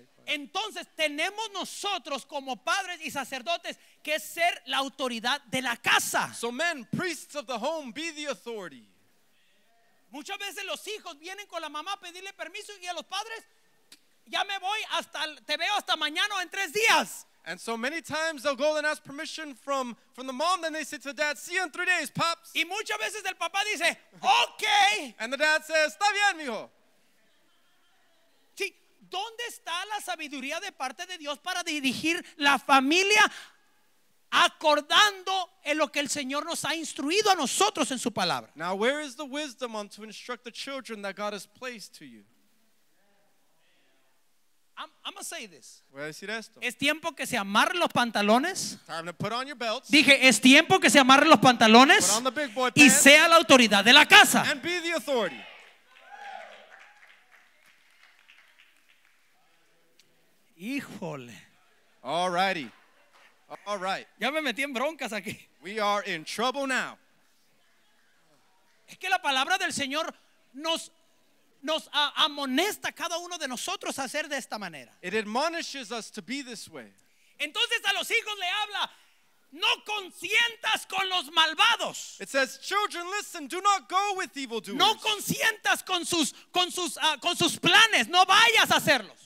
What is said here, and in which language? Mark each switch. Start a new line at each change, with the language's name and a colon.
Spanish: Entonces tenemos nosotros como padres y sacerdotes que ser la autoridad de la casa.
English: So men, priests of the home, be the authority.
Spanish: Muchas veces los hijos vienen con la mamá a pedirle permiso y a los padres, ya me voy, hasta te veo hasta mañana o en tres días.
English: And so many times they'll go and ask permission from the mom, then they say to the dad, see you in 3 days, pops.
Spanish: Y muchas veces el papá dice, okay.
English: And the dad says,
Spanish: está bien, mijo. ¿Dónde está la sabiduría de parte de Dios para dirigir la familia acordando en lo que el Señor nos ha instruido a nosotros en su palabra?
English: Now, where is the wisdom on to instruct the children that God has placed to you? I'm going to say this.
Spanish: Voy a decir esto. Es tiempo que se amarren los pantalones.
English: Time to put on your belts.
Spanish: Dije, es tiempo que se amarren los pantalones.
English: Put on the big boy pants.
Spanish: Y sea la autoridad de la casa.
English: And be the authority.
Spanish: Híjole.
English: All righty. All right.
Spanish: Ya me metí en broncas aquí.
English: We are in trouble now.
Spanish: Es que la palabra del Señor nos amonesta cada uno de nosotros a ser de esta manera.
English: It admonishes us to be this way.
Spanish: Entonces a los hijos le habla, no consientas con los malvados.
English: It says, children, listen, do not go with evildoers.
Spanish: No consientas con sus planes, no vayas a hacerlos.